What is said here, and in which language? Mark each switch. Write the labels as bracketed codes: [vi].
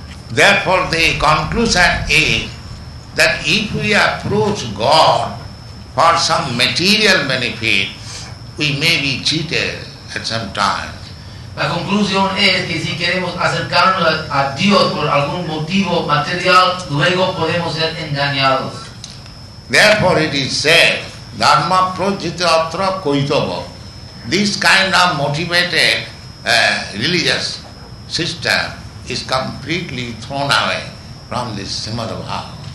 [en] Therefore, the conclusion is that if we approach God for some material benefit, we may be cheated at some time. [es] La conclusión es que si queremos acercarnos a Dios por algún motivo material, luego podemos ser engañados. [en] Therefore it is said, [sa] dharma prajita atra koitava. [en] This kind of motivated religious system is completely thrown away from this Srimad Bhagavatam.